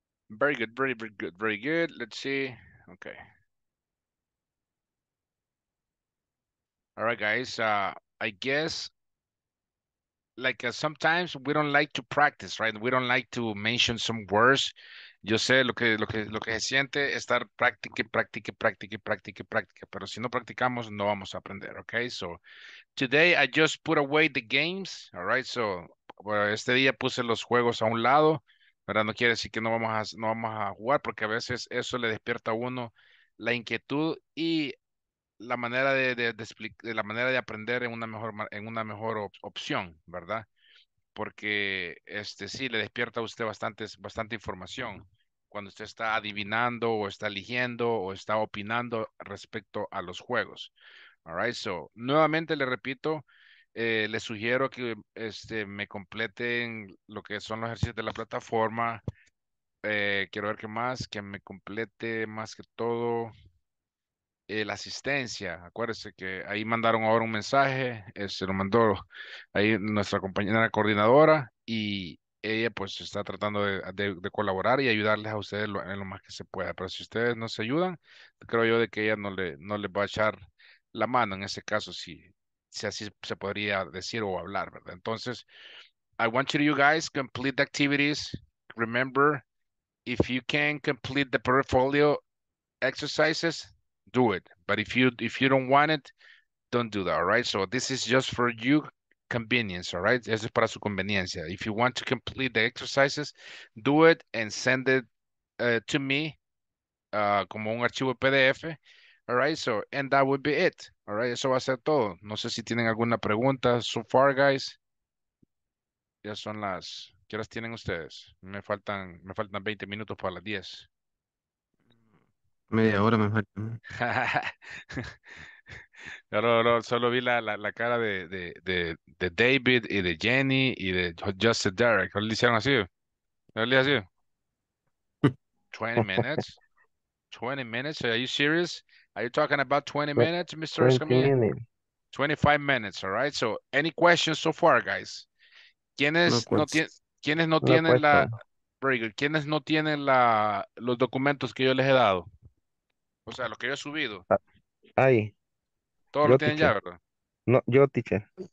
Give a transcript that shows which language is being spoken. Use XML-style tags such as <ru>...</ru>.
<en>Very good, very, very good, very good. Let's see. Okay. All right, guys. I guess, like, sometimes we don't like to practice, right? We don't like to mention some words.</en> <es>Yo sé lo que se siente estar practique, pero si no practicamos, no vamos a aprender, okay?</es> <en>So, today I just put away the games, all right?</en> <es>So, bueno, este día puse los juegos a un lado, pero no quiere decir que no vamos a jugar, porque a veces eso le despierta a uno la inquietud y la manera de aprender en una mejor opción, ¿verdad? Porque sí le despierta a usted bastante información cuando usted está adivinando o está eligiendo o está opinando respecto a los juegos.</es> <en>All right, so</en> <es>nuevamente le repito, le sugiero que me completen lo que son los ejercicios de la plataforma. Quiero ver qué más, que me complete más que todo la asistencia. Acuérdense que ahí mandaron ahora un mensaje, se lo mandó ahí nuestra compañera coordinadora y ella pues está tratando de colaborar y ayudarles a ustedes en lo más que se pueda, pero si ustedes no se ayudan, creo yo de que ella no le va a echar la mano en ese caso, si así se podría decir o hablar, ¿verdad?</es> <en>Entonces, I want you guys to complete the activities. Remember, if you can complete the portfolio exercises, do it. But if you don't want it, don't do that, all right? So this is just for you convenience, all right?</en> <es>Eso es para su conveniencia.</es> <en>If you want to complete the exercises, do it and send it to me</en> <es>como un archivo PDF,</es> <en>all right? So, and that would be it, all right?</en> <es>Eso va a ser todo. No sé si tienen alguna pregunta</es> <en>so far, guys.</en> <es>Ya son las... ¿Qué horas tienen ustedes? Me faltan 20 minutos para las 10. Media hora me falta. No, solo vi la cara de David y de Jenny y de Justin Derek. ¿Lo hicieron así? ¿Lo hicieron así?</es> <en>20 minutes? 20 minutes? Are you serious? Are you talking about 20 minutes, Mr. Escamilla? 25 minutes, all right? So, any questions so far, guys?</en> <es>¿Quiénes no tienen los documentos que yo les he dado? O sea, lo que yo he subido. Ahí. Todos lo tienen ya, ¿verdad? No, yo, teacher.</es>